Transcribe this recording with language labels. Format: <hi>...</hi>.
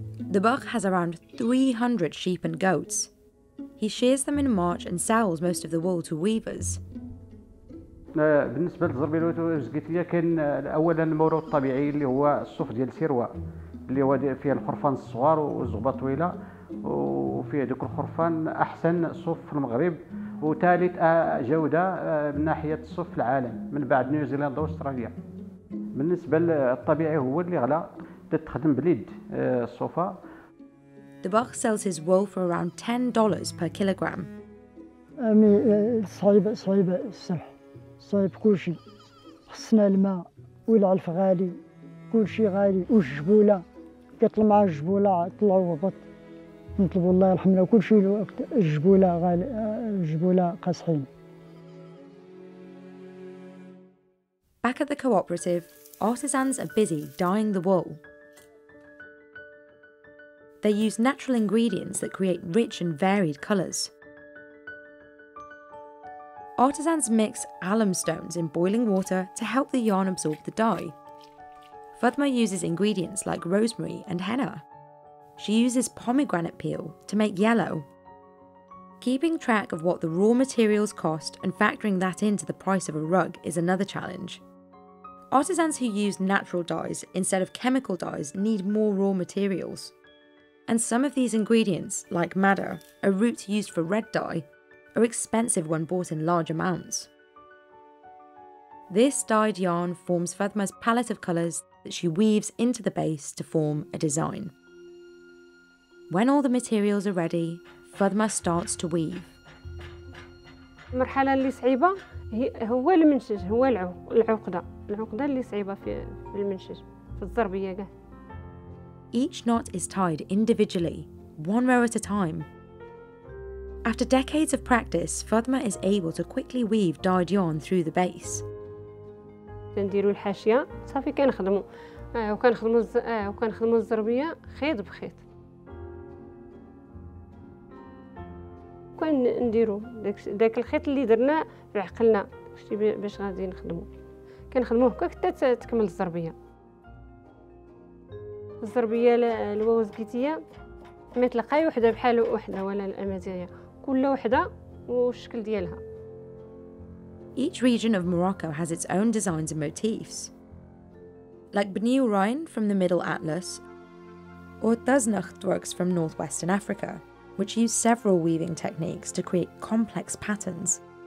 <en>The Bach has around 300 sheep and goats. He shears them in March and sells most of the wool to weavers.</en> <ar>بالنسبة للزربية الوزقية كان أولا المورود الطبيعي اللي هو الصوف ديال السروة اللي هو فيها الخرفان الصغار والزغبة طويلة وفيها ذوك الخرفان أحسن صوف في المغرب. وثالث جودة من ناحية الصوف في العالم من بعد نيوزيلندا وأستراليا. بالنسبة للطبيعي هو اللي غلا تتخدم باليد الصوفة.</ar> <en>The Bach sells his wool for around $10 per kilogram.</en> <ar>أمي صعيبة السمح، صعيب كل شيء، خصنا الماء والعلف غالي، كل شيء غالي والجبولة، كطلع مع الجبولة طلعوا وبط. نطلب الله يرحمنا كل شيء الوقت الجبولة غالي الجبولة قاصحين.</ar> <en>Back at the cooperative, artisans are busy dyeing the wool. They use natural ingredients that create rich and varied colours. Artisans mix alum stones in boiling water to help the yarn absorb the dye. Fatma uses ingredients like rosemary and henna. She uses pomegranate peel to make yellow. Keeping track of what the raw materials cost and factoring that into the price of a rug is another challenge. Artisans who use natural dyes instead of chemical dyes need more raw materials. And some of these ingredients, like madder, a root used for red dye, are expensive when bought in large amounts. This dyed yarn forms Fatma's palette of colours that she weaves into the base to form a design. When all the materials are ready, Fatma starts to weave.</en> <ar>المرحلة اللي صعيبة هو المنشج، هو العقدة، العقدة اللي صعيبة في المنشج، في الزربية كاع.</ar> <en>Each knot is tied individually, one row at a time. After decades of practice, Fatma is able to quickly weave dyed yarn through the base.</en> <ar>كنديروا الحاشية، صافي كنخدموا، وكنخدموا الزربية خيط بخيط. كنديروا داك الخيط اللي درنا في عقلنا باش غادي نخدموا، كنخدموه هكا حتى تكمل الزربيه. الزربيه الوزقيتيه ما تلقاي وحده بحال وحده، ولا الامازيغيه كل وحده والشكل ديالها.</ar> <en>Each region of Morocco has its own designs and motifs. Like Bni Urayn from the Middle Atlas or Tuznacht works from northwestern Africa. which use several weaving techniques to create complex patterns.</en>